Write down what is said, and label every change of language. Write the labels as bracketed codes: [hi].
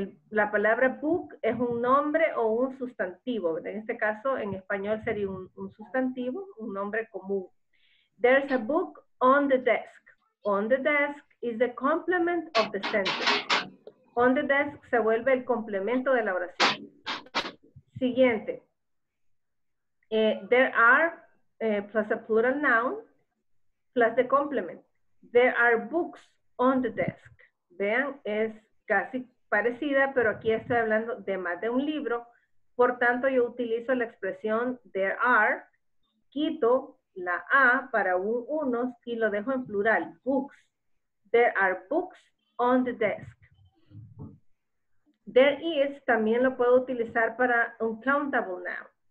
[es] La palabra book es un nombre o un sustantivo. En este caso, en español sería un sustantivo, un nombre común. [en] There's a book on the desk. On the desk is the complement of the sentence. On the desk [es] se vuelve el complemento de la oración. Siguiente. [en] There are plus a plural noun plus the complement. There are books on the desk. [es] Vean, es casi parecida, pero aquí estoy hablando de más de un libro. Por tanto, yo utilizo la expresión there are, quito la A para unos y lo dejo en plural, books. [en] There are books on the desk. There is [es] también lo puedo utilizar para [en] uncountable noun.